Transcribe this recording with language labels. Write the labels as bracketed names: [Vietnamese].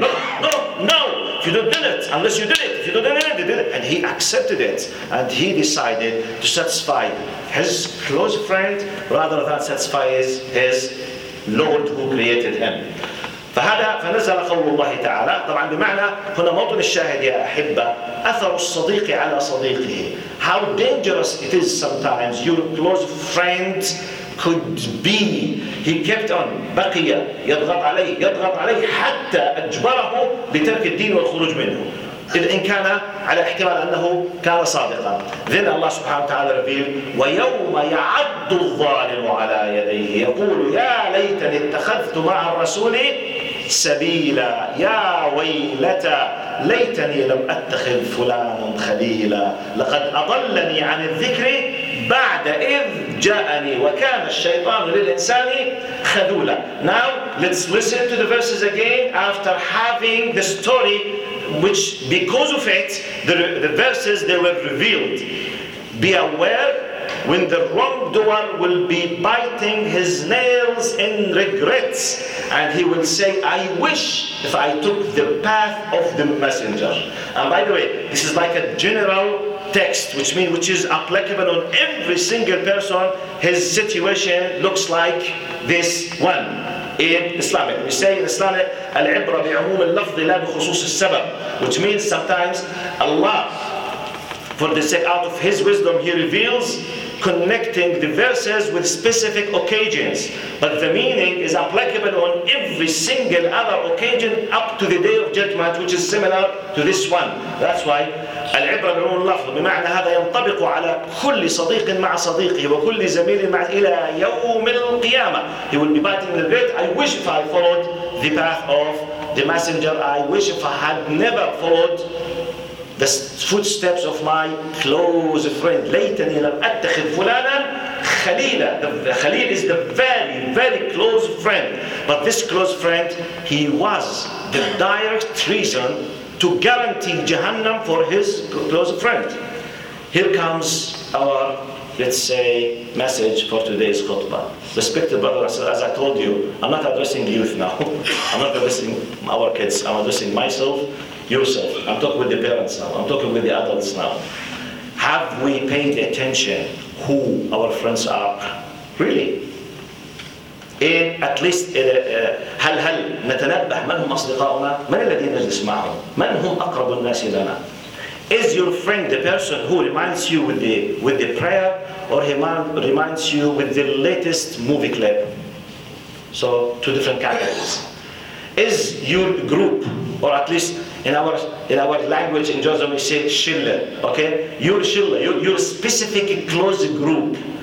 [English] No, if you don't do it, unless you did it, if you don't do it, you did it. And he accepted it, and he decided to satisfy his close friend rather than satisfy his Lord who created him. [Arabic] فهذا فنزل قول الله تعالى طبعا بمعنى هنا موطن الشاهد يا أحبة أثر الصديق على صديقه. [English] How dangerous it is sometimes your close friend could be. He kept on [Arabic] بقي يضغط عليه حتى أجبره بترك الدين والخروج منه. إذا إن كان على احتمال أنه كان صادقاً. [English] Then Allah [Arabic] سبحانه وتعالى [English] revealed [Arabic] ويوم يعد الظالم على يديه يقول يا ليتني اتخذت مع الرسول سبيلا يا ويلتا ليتني لم أتخذ فلانا خليلا لقد أضلني عن الذكر بعد إذ جاءني وكان الشيطان للإنسان خذولا. [English] Now let's listen to the verses again after having the story which because of it the verses they were revealed. Be aware when the wrongdoer will be biting his nails in regrets and he will say, I wish if I took the path of the messenger. And by the way, this is like a general text, which means which is applicable on every single person. His situation looks like this one in Islamic. We say in Islamic, [Arabic] al-ibra bi'umum al-lafzi la bi-khusus al-sabab, [English] which means sometimes Allah, for the sake out of His wisdom, He reveals connecting the verses with specific occasions. But the meaning is applicable on every single other occasion up to the Day of Judgment, which is similar to this one. That's why [Arabic] العبرة بعموم اللفظ بمعنى هذا ينطبق على كل صديق مع صديقه وكل زميل مع إلى يوم القيامة. [English] He will be biting the bit. I wish if I followed the path of the messenger. I wish if I had never followed the footsteps of my close friend. [Arabic] ليتني لم أتخذ فلانا خليلا. [English] The خليل is the very, very close friend. But this close friend, he was the direct reason to guarantee Jahannam for his close friend. Here comes our, let's say, message for today's khutbah. Respected brothers, as I told you, I'm not addressing youth now. I'm not addressing our kids. I'm addressing myself, yourself. I'm talking with the parents now. I'm talking with the adults now. Have we paid attention who our friends are? Really? In at least [Arabic] هل نتنبه من هم أصدقاؤنا من الذين نجلس معهم من هم أقرب الناس لنا. [English] Is your friend the person who reminds you with the prayer or he reminds you with the latest movie clip? So two different categories. Is your group or at least in our language in Jordan we say shille, okay, your shille, your specific close group.